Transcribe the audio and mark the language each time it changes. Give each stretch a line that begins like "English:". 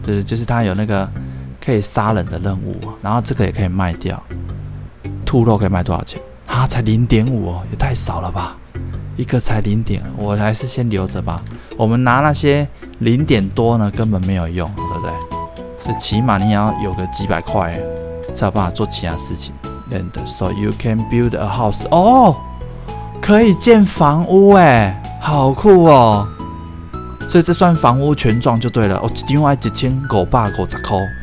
Chinese: 就是他有那个可以杀人的任务，然后这个也可以卖掉，兔肉可以卖多少钱？啊，才 0.5 哦，也太少了吧！一个才 0.5， 我还是先留着吧。我们拿那些零点多呢，根本没有用，对不对？所以起码你也要有个几百块，才有办法做其他事情。
English: And so you can build a house，
Chinese: 哦，可以建房屋哎，好酷哦！所以这算房屋权状就对了。哦，另外1550块。